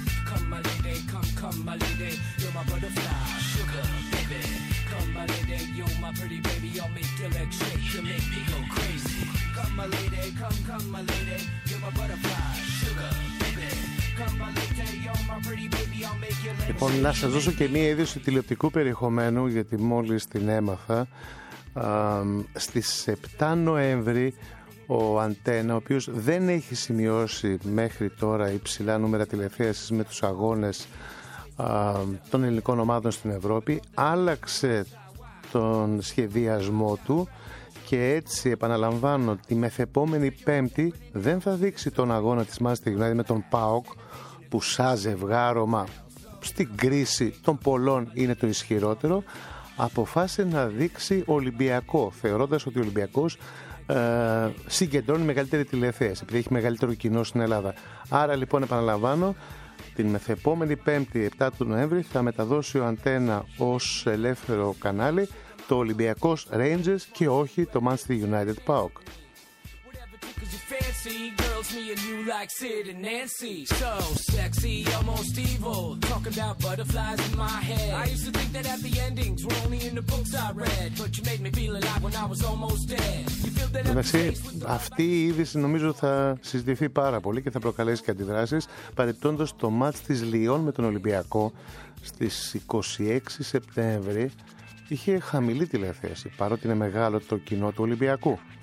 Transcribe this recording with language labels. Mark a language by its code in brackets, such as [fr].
[en] Come my lady, you're my butterfly, sugar baby. Come my lady, you're my pretty baby. You'll make your legs shake, you make me go crazy. Come my lady, come my lady, you're my butterfly, sugar baby. [el] Λοιπόν, να σας δώσω και μία είδηση τηλεοπτικού περιεχομένου, γιατί μόλις την έμαθα. Στις 7 Νοέμβρη ο Αντένα, ο οποίος δεν έχει σημειώσει μέχρι τώρα υψηλά νούμερα τηλεθέασης με τους αγώνες των ελληνικών ομάδων στην Ευρώπη, άλλαξε τον σχεδιασμό του και έτσι επαναλαμβάνω ότι μεθεπόμενη Πέμπτη δεν θα δείξει τον αγώνα της Manchester United με τον ΠΑΟΚ, που σαν ζευγάρωμα στην κρίση των πολλών είναι το ισχυρότερο. Αποφάσισε να δείξει Ολυμπιακό, θεωρώντας ότι ο Ολυμπιακός συγκεντρώνει μεγαλύτερη τηλεθέαση επειδή έχει μεγαλύτερο κοινό στην Ελλάδα. Άρα λοιπόν επαναλαμβάνω, την μεθεπόμενη Πέμπτη 7 του Νοέμβρη θα μεταδώσει ο Αντένα ως ελεύθερο κανάλι το Ολυμπιακός Rangers και όχι το Manchester United PAOK. [en] see girls, me and you like Sid and Nancy. So sexy, almost evil. Talking about butterflies in my head. I used to think that happy endings were only in the books I read. But you made me feel alive when I was almost dead. You feel that [el] I'm αυτή η είδηση νομίζω θα συζητηθεί πάρα πολύ και θα προκαλέσει και αντιδράσεις, παρεπτόντως το μάτς της Λιόν με τον Ολυμπιακό στις 26 Σεπτέμβρη είχε χαμηλή τηλεθέαση, παρότι είναι μεγάλο το κοινό του Ολυμπιακού.